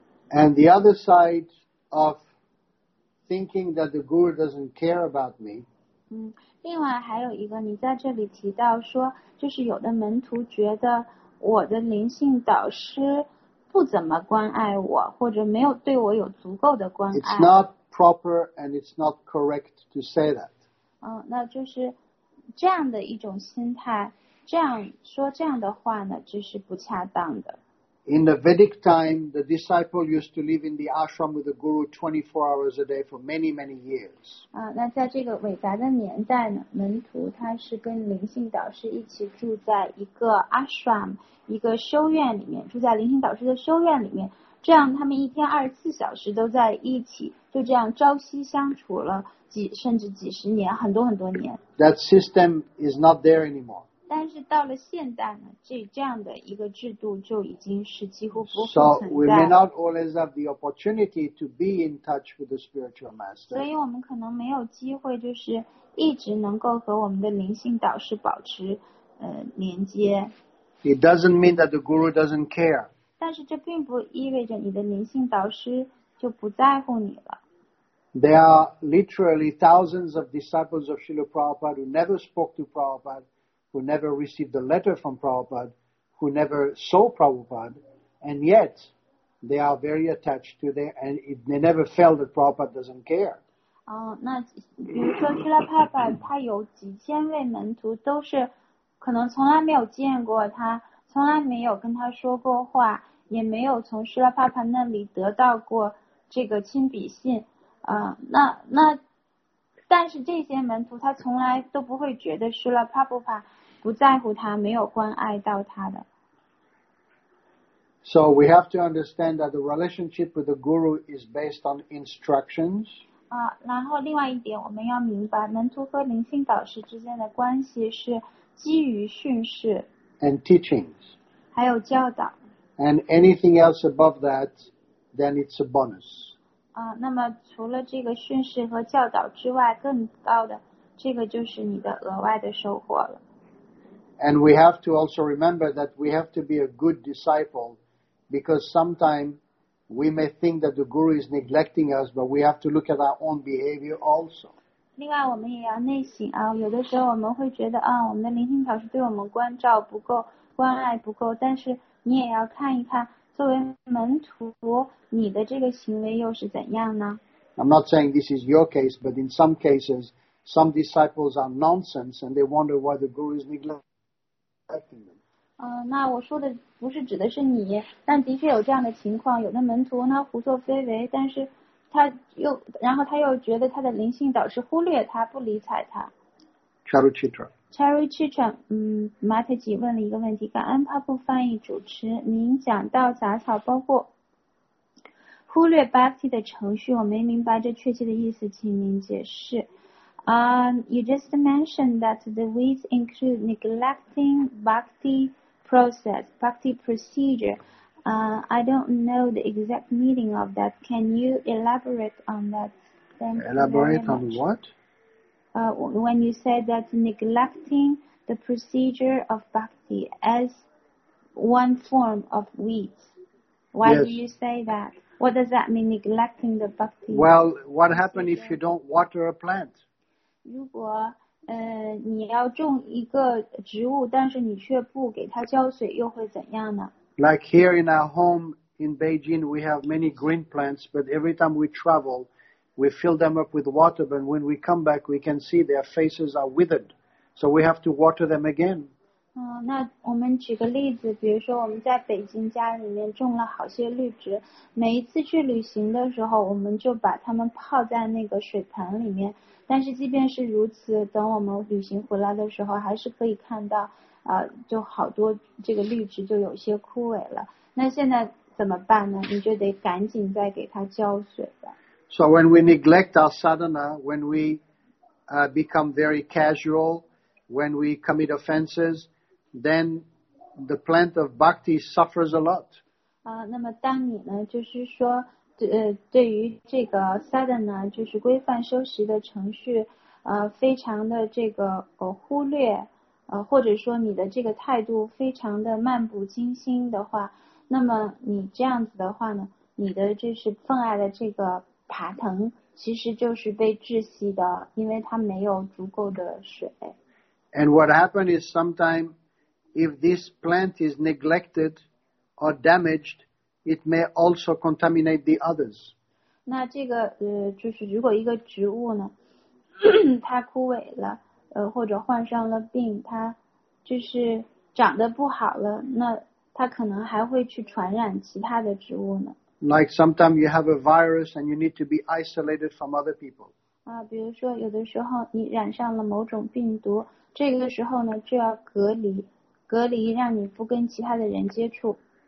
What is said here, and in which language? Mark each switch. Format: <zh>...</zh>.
<en>And the other side of thinking that the Guru doesn't care about me，</en> <zh>另外还有一个，你在这里提到说，就是有的门徒觉得我的灵性导师不怎么关爱我，或者没有对我有足够的关爱。</zh> <en>It's not proper and it's not correct to say that.</en> <zh>那就是这样的一种心态，这样说这样的话呢，这是不恰当的。</zh> <en>In the Vedic time, the disciple used to live in the ashram with the guru 24 hours a day for many, many years.</en> <zh>那在这个伟大的年代呢，门徒他是跟灵性导师一起住在一个 ashram， 一个修院里面，住在灵性导师的修院里面，这样他们一天24小时都在一起，就这样朝夕相处了几甚至几十年，很多很多年。</zh> <en>That system is not there anymore.</en> <zh>但是到了现代呢，这样的一个制度就已经是几乎不复存在。</zh> <en>So we may not always have the opportunity to be in touch with the spiritual master.</en> <zh>所以我们可能没有机会就是一直能够和我们的灵性导师保持连接。</zh> <en>It doesn't mean that the guru doesn't care.</en> <zh>但是这并不意味着你的灵性导师就不在乎你了。</zh> <en>There are literally thousands of disciples of Srila Prabhupada who never spoke to Prabhupada, who never received a letter from Prabhupada, who never saw Prabhupada, and yet they are very attached to their, and they never felt that Prabhupada doesn't care.</en> <zh>那比如说 Srila Prabhupada 他有几千位门徒都是可能从来没有见过他，从来没有跟他说过话，也没有从施拉帕帕那里得到过这个亲笔信。那但是这些门徒他从来都不会觉得施拉帕布帕不在乎他，没有关爱到他的。</zh> <en>So we have to understand that the relationship with the guru is based on instructions.</en> <zh>然后另外一点我们要明白，门徒和灵性导师之间的关系是基于训示。</zh> <en>And teachings.</en> <zh>还有教导。</zh> <en>And anything else above that, then it's a bonus.</en> <zh>那么除了这个训示和教导之外，更高的，这个就是你的额外的收获了。</zh> <en>And we have to also remember that we have to be a good disciple, because sometimes we may think that the guru is neglecting us, but we have to look at our own behavior also.</en> <zh>另外我们也要内省啊，有的时候我们会觉得啊，我们的灵性导师对我们关照不够，关爱不够，但是你也要看一看作为门徒你的这个行为又是怎样呢。</zh> <en>I'm not saying this is your case, but in some cases some disciples are nonsense and they wonder why the guru is neglecting them.</en> <zh>那我说的不是指的是你，但的确有这样的情况，有的门徒呢胡作非为，但是然后他又觉得他的灵性导师忽略他，不理睬他。</zh> <en>Charu Chitra,</en> <zh>马特吉问了一个问题，感恩帕布翻译主持，您讲到杂草包括忽略 Bhakti 的程序，我没明白这确切的意思，请您解释。</zh> <en>You just mentioned that the weeds include neglecting Bhakti process, Bhakti procedure. I don't know the exact meaning of that. Can you elaborate on that? Elaborate on what? When you say that neglecting the procedure of bhakti as one form of weeds. Why yes. do you say that? What does that mean, neglecting the bhakti? Well, what happens if you don't water a plant?</en> <zh>如果你要种一个植物，但是你却不给它浇水，又会怎样呢？</zh> <en>Like here in our home in Beijing, we have many green plants, but every time we travel, we fill them up with water, but when we come back, we can see their faces are withered. So we have to water them again.</en> <zh>那我们举个例子，比如说我们在北京家里面种了好些绿植，每一次去旅行的时候，我们就把它们泡在那个水盆里面。但是即便是如此，等我们旅行回来的时候，还是可以看到就好多这个绿植就有些枯萎了。那现在怎么办呢？你就得赶紧再给他浇水了。</zh> <en>So when we neglect our sadhana, when we become very casual, when we commit offenses, then the plant of bhakti suffers a lot.</en> <zh>那么当你呢，就是说，对于这个 sadhana 就是规范修习的程序，非常的这个忽略，或者说你的这个态度非常的漫不经心的话，那么你这样子的话呢，你的就是分爱的这个爬藤其实就是被窒息的，因为它没有足够的水。</zh> <en>And what happened is sometime if this plant is neglected or damaged, it may also contaminate the others.</en> <zh>那这个就是如果一个植物呢它枯萎了或者患上了病，它就是长得不好了，那它可能还会去传染其他的植物呢。</zh> <en>Like sometimes you have a virus and you need to be isolated from other people.</en> <zh>比如说有的时候你染上了某种病毒，这个时候呢就要隔离，让你不跟其他的人接触。</zh>